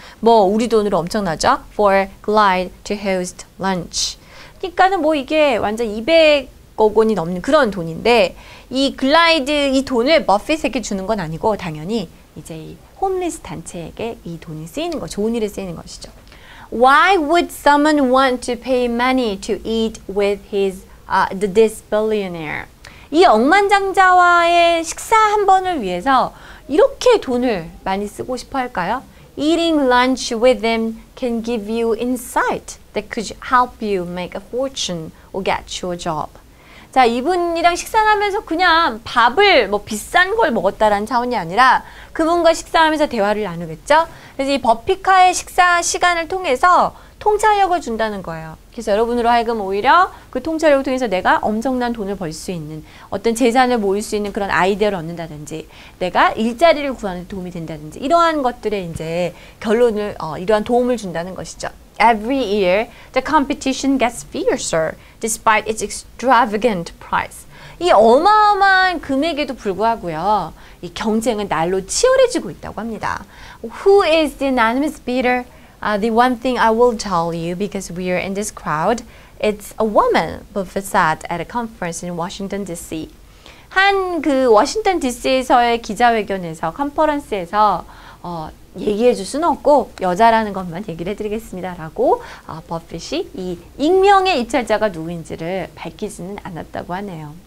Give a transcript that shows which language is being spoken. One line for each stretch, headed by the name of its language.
Korean: 뭐 우리 돈으로 엄청나죠?
English: For Glide to host lunch.
Korean: 그러니까는 뭐 이게 완전 200억 원이 넘는 그런 돈인데 이 Glide 이 돈을 버핏에게 주는 건 아니고 당연히 이제 이 홈리스 단체에게 이 돈이 쓰이는 거, 좋은 일에 쓰이는 것이죠.
English: Why would someone want to pay money to eat with his this billionaire?
Korean: 이 억만장자와의 식사 한 번을 위해서 이렇게 돈을 많이 쓰고 싶어 할까요?
English: Eating lunch with him can give you insight that could help you make a fortune or get your job.
Korean: 자, 이분이랑 식사하면서 그냥 밥을 뭐 비싼 걸 먹었다라는 차원이 아니라 그분과 식사하면서 대화를 나누겠죠? 그래서 이 버핏카의 식사 시간을 통해서 통찰력을 준다는 거예요. 그래서 여러분으로 하여금 오히려 그 통찰력을 통해서 내가 엄청난 돈을 벌 수 있는 어떤 재산을 모을 수 있는 그런 아이디어를 얻는다든지 내가 일자리를 구하는 도움이 된다든지 이러한 것들에 이제 결론을 이러한 도움을 준다는 것이죠.
English: Every year, the competition gets fiercer despite its extravagant price.
Korean: 이 어마어마한 금액에도 불구하고요. 이 경쟁은 날로 치열해지고 있다고 합니다.
English: Who is the anonymous bidder? The one thing I will tell you because we are in this crowd, it's a woman, Buffett said at a conference in Washington, D.C.
Korean: 한 그 워싱턴 D.C.에서의 기자회견에서, 컨퍼런스에서 얘기해 줄 수는 없고 여자라는 것만 얘기를 해드리겠습니다 라고 버핏이 이 익명의 입찰자가 누구인지를 밝히지는 않았다고 하네요.